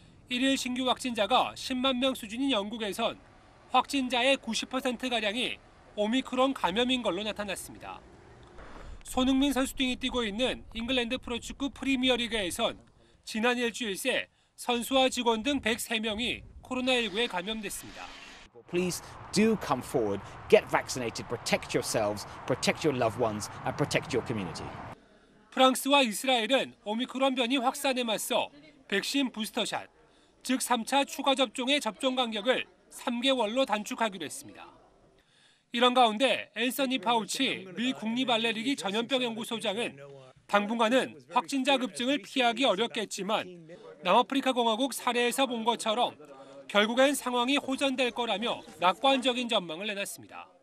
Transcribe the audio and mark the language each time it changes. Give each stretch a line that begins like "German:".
Korean: 1일 신규 확진자가 10만 명 수준인 영국에선 확진자의 90%가량이 오미크론 감염인 걸로 나타났습니다. 손흥민 선수 등이 뛰고 있는 잉글랜드 프로축구 프리미어리그에선 지난 일주일 새 선수와 직원 등 103명이 코로나19에 감염됐습니다.
English: Please do come forward, get vaccinated, protect yourselves, protect your loved ones, and protect your community.
Korean: 프랑스와 이스라엘은 오미크론 변이 확산에 맞서 백신 부스터샷, 즉 3차 추가 접종의 접종 간격을 3개월로 단축하기로 했습니다. 이런 가운데 앤서니 파우치 미 국립알레르기 전염병연구소장은 당분간은 확진자 급증을 피하기 어렵겠지만 남아프리카공화국 사례에서 본 것처럼 결국엔 상황이 호전될 거라며 낙관적인 전망을 내놨습니다.